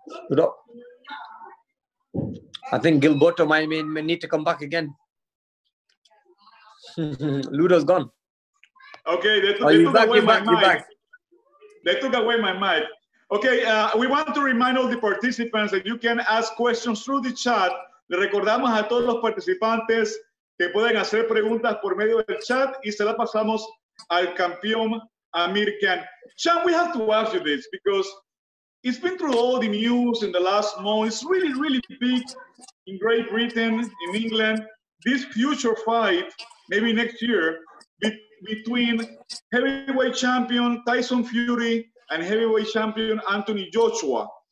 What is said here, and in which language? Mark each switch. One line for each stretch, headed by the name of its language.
English: Lura. I think Gilberto might need to come back again. Lura's gone. Okay, they took away my mic. They took away my mic. Okay, we want to remind all the participants that you can ask questions through the chat.
Spanish: Le recordamos a todos los participantes que pueden hacer preguntas por medio del chat y se la pasamos al campeón Amir Khan.
English: Sean, we have to ask you this because it's been through all the news in the last month. It's really, really big in Great Britain, in England. This future fight, maybe next year, between heavyweight champion Tyson Fury and heavyweight champion Anthony Joshua.